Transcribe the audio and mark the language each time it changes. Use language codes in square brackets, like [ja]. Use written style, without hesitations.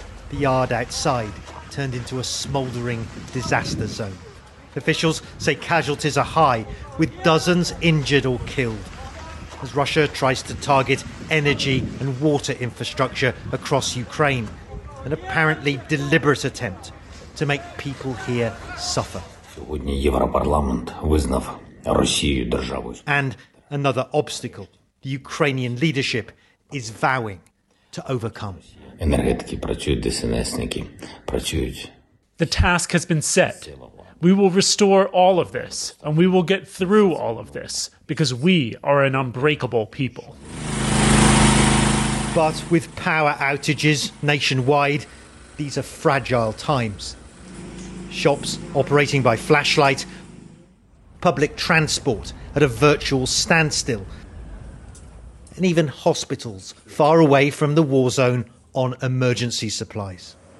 [en] The yard outside turned into a smouldering disaster zone. Officials say casualties are high, with dozens injured or killed, as Russia tries to target energy and water infrastructure across Ukraine, an apparently deliberate attempt to make people here suffer. [uk] Сьогодні Європарламент визнав Росію державою. [en] And another obstacle the Ukrainian leadership is vowing to overcome. [uk] Енергетики працюють, ДСНСники працюють. [en] The task has been set. We will restore all of this, and we will get through all of this, because we are an unbreakable people. But with power outages nationwide, these are fragile times. Shops operating by flashlight, public transport at a virtual standstill, and even hospitals far away from the war zone on emergency supplies.